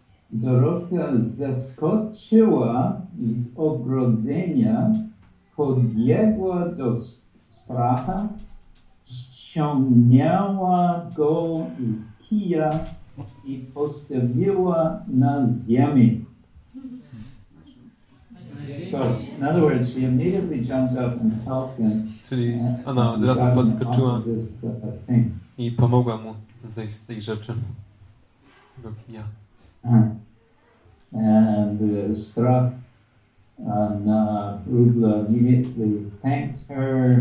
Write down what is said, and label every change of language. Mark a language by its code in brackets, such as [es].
[pl] Dorotka zaskoczyła z ogrodzenia, podbiegła do stracha, ściągnęła go z kija i postawiła na ziemi. [en] So, in other words, she immediately jumped up and helped him. [pl] Czyli ona od razu podskoczyła i pomogła mu zejść z tej rzeczy. Tego kija. [en] And the strach and Rubla immediately thanks her.